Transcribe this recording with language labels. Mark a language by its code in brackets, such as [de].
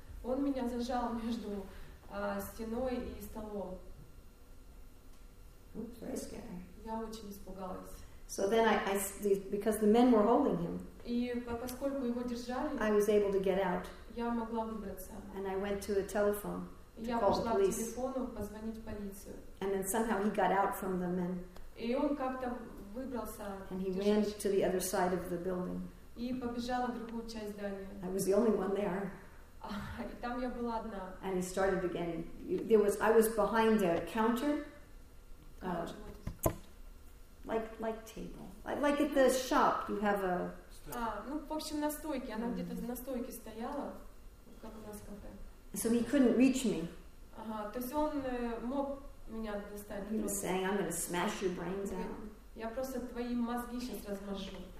[ru] Он меня зажал между стеной и столом. [en] Very scary. [ru] Я очень испугалась. [en] So then I because the men were holding him. [ru] И поскольку его держали. [en] I was able to get out. [ru] Я могла выбраться. [en] And I went to a telephone to call the police. [ru] Я пошла к телефону позвонить полицию. [en] And then somehow he got out from the men. [ru] И он как-то выбрался. [en] And he ran to the other side of the building. [ru] И побежала в другую часть здания. [en] I was the only one there. [ru] И там я была одна. [en] And he started again. I was behind a counter. Like table. Like at the shop, you have a... [ru] Ну, в общем, на стойке. Она где-то на стойке стояла. Как у нас кафе. [en] So he couldn't reach me. [ru] То есть он мог меня достать. [en] He was saying, I'm going to smash your brains out. [ru] Я просто твои мозги сейчас размажу.